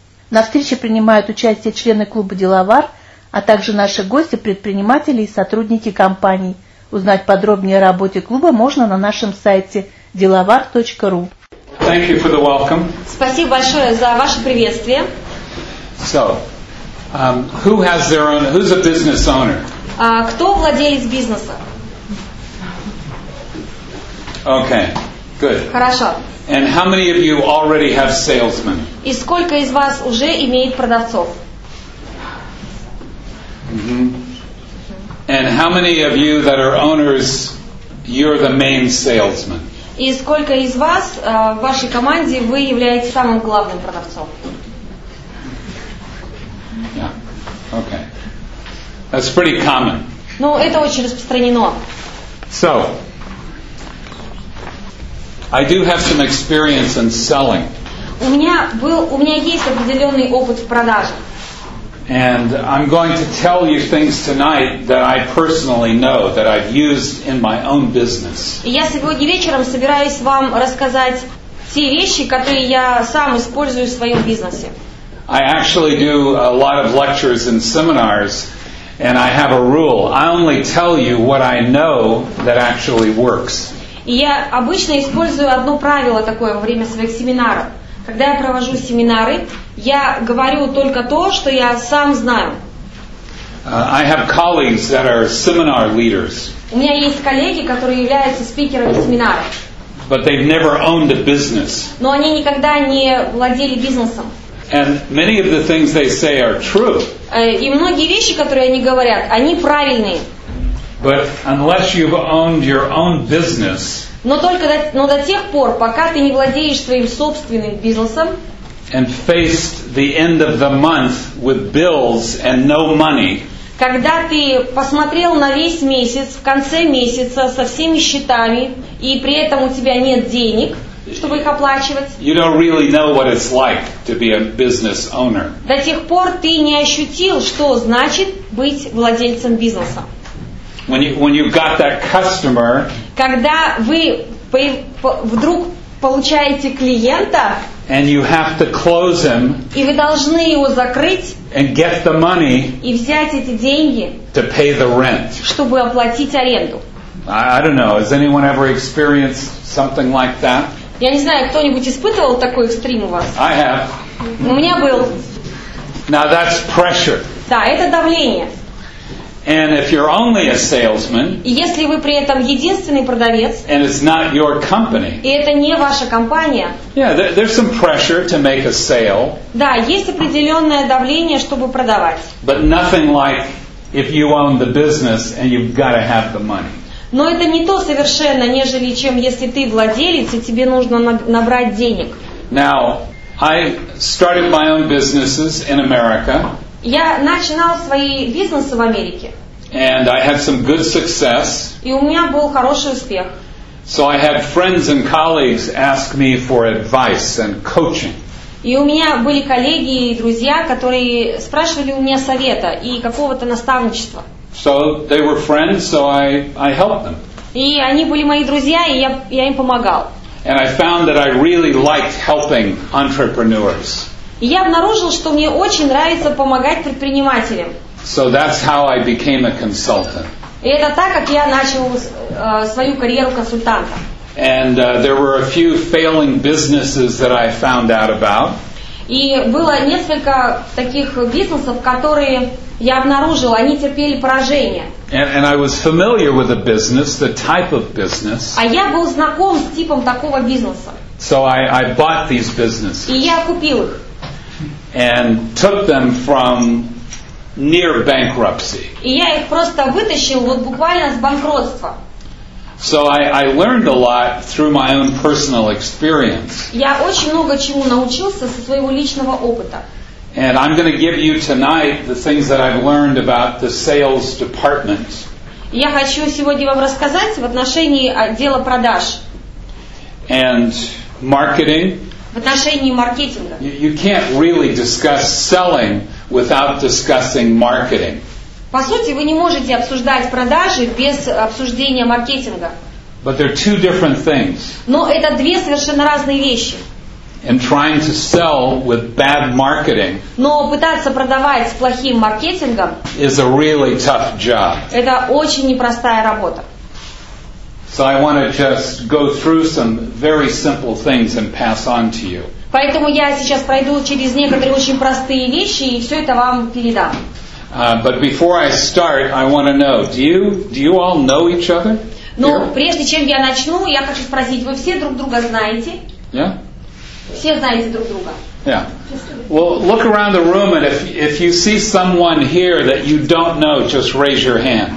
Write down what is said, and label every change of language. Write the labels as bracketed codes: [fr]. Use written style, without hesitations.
[ru] На встрече принимают участие члены клуба «Деловар», а также наши гости, предприниматели и сотрудники компаний. Узнать подробнее о работе клуба можно на нашем сайте delavar.ru. [en] Thank you for the welcome. [ru] Спасибо большое за ваше приветствие. [en] So, who has their own, who's a business owner? [ru] Кто владелец бизнеса? [en] Okay, good. [ru] Хорошо. [en] And how many of you already have salesmen? [ru] И сколько из вас уже имеет продавцов? [en] And how many of you that are owners, you're the main salesman? [ru] И сколько из вас в вашей команде вы являетесь самым главным продавцом? [en] Yeah. Okay. That's pretty common. [ru] Ну, это очень распространено. [en] So, I do have some experience in selling. [ru] У меня есть определенный опыт в продаже. [en] And I'm going to tell you things tonight that I personally know, that I've used in my own business. [ru] Я сегодня вечером собираюсь вам рассказать те вещи, которые я сам использую в своем бизнесе. [en] I actually do a lot of lectures and seminars, and I have a rule. I only tell you what I know that actually works. [ru] Я обычно использую одно правило такое во время своих семинаров. Когда я провожу семинары, я говорю только то, что я сам знаю. [en] I have colleagues that are seminar leaders. [ru] У меня есть коллеги, которые являются спикерами семинаров. [en] But they've never owned a business. [ru] Но они никогда не владели бизнесом. [en] And many of the things they say are true. [ru] И многие вещи, которые они говорят, они правильные. [en] But unless you've owned your own business, [ru] но до тех пор, пока ты не владеешь своим собственным бизнесом, [en] and faced the end of the month with bills and no money, [ru] когда ты посмотрел на весь месяц, в конце месяца, со всеми счетами, и при этом у тебя нет денег, чтобы их оплачивать, [en] you don't really know what it's like to be a business owner. [ru] До тех пор ты не ощутил, что значит быть владельцем бизнеса. [en] When you've got that customer, [ru] когда вы вдруг получаете клиента, [en] and you have to close him, [ru] и вы должны его закрыть, [en] and get the money, [ru] и взять эти деньги, [en] to pay the rent, [ru] чтобы оплатить аренду. [en] I don't know, has anyone ever experienced something like that? [ru] Я не знаю, кто-нибудь испытывал такой экстрим у вас? [en] I have. [ru] У меня был. [en] Now that's pressure. [ru] Да, это давление. [en] And if you're only a salesman, [ru] если вы при этом единственный продавец, [en] and it's not your company, [ru] и это не ваша компания, [en] yeah, there's some pressure to make a sale. [ru] Да, есть определенное давление, чтобы продавать. [en] But nothing like if you own the business and you've got to have the money. [ru] Но это не то совершенно, нежели чем если ты владелец и тебе нужно набрать денег. [en] Now, I started my own businesses in America. [ru] Я начинал свои бизнесы в Америке. [en] And I had some good success. [ru] И у меня был хороший успех. [en] So I had friends and colleagues ask me for advice and coaching. [ru] И у меня были коллеги и друзья, которые спрашивали у меня совета и какого-то наставничества. [en] So they were friends, so I helped them. [ru] И они были мои друзья, и я им помогал. [en] And I found that I really liked helping entrepreneurs. [ru] И я обнаружил, что мне очень нравится помогать предпринимателям. [en] So that's how I became a consultant. [ru] И это так, как я начал свою карьеру консультанта. [en] And there were a few failing businesses that I found out about. [ru] И было несколько таких бизнесов, которые я обнаружил, они терпели поражение. [en] And I was familiar with the business, the type of business. [ru] А я был знаком с типом такого бизнеса. [en] So I bought these businesses. [ru] И я купил их. [en] And took them from near bankruptcy. [ru] И я их просто вытащил вот буквально с банкротства. [en] So I learned a lot through my own personal experience. [ru] Я очень много чему научился со своего личного опыта. [en] And I'm going to give you tonight the things that I've learned about the sales department. [ru] Я хочу сегодня вам рассказать в отношении отдела продаж. [en] and marketing. [ru] В отношении маркетинга. [en] You can't really discuss selling without discussing marketing. [ru] По сути, вы не можете обсуждать продажи без обсуждения маркетинга. [en] But they're two different things. [ru] Но это две совершенно разные вещи. [en] And trying to sell with bad marketing. [ru] Но пытаться продавать с плохим маркетингом. [en] Is a really tough job. [ru] Это очень непростая работа. [en] So I want to just go through some very simple things and pass on to you. [ru] Поэтому я сейчас пройду через некоторые очень простые вещи и все это вам передам. [en] But before I start, I want to know: do you all know each other? [ru] Но прежде чем я начну, я хочу спросить: вы все друг друга знаете? [en] Yeah. [ru] Все знаете друг друга. [en] Yeah. Well, look around the room, and if you see someone here that you don't know, just raise your hand.